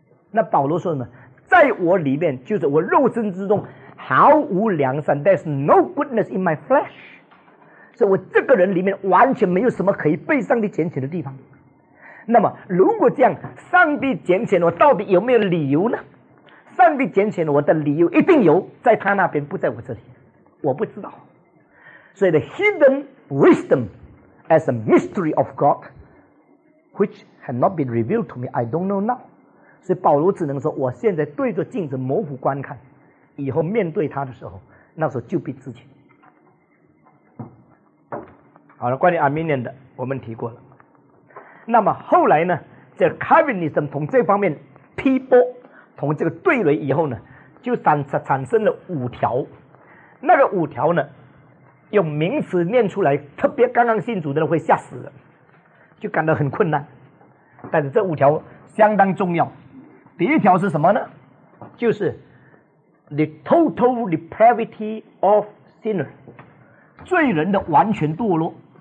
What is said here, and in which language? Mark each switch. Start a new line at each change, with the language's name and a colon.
Chinese: 那保罗说什么？在我里面，就是我肉身之中毫无良善，
English: There's no goodness in my flesh，
Chinese: 所以我这个人里面完全没有什么可以被上帝拣选的地方。那么如果这样，上帝拣选我到底有没有理由呢？上帝拣选我的理由一定有，在他那边，不在我这里，我不知道。所以
English: the hidden wisdom as a mystery of God which had not been revealed to me I don't know now，
Chinese: 所以保罗只能说，我现在对着镜子模糊观看，以后面对他的时候，那时候就比之前。好了，关于 Arminian 的我们提过了。那么后来呢，这 Calvinism 从这方面批驳，从这个对垒以后呢，就产生了五条。那个五条呢，用名词念出来，特别刚刚信主的人会吓死了，就感到很困难。但是这五条相当重要。第一条是什么呢？就是
English: the total depravity of sinner，
Chinese: 罪人的完全堕落。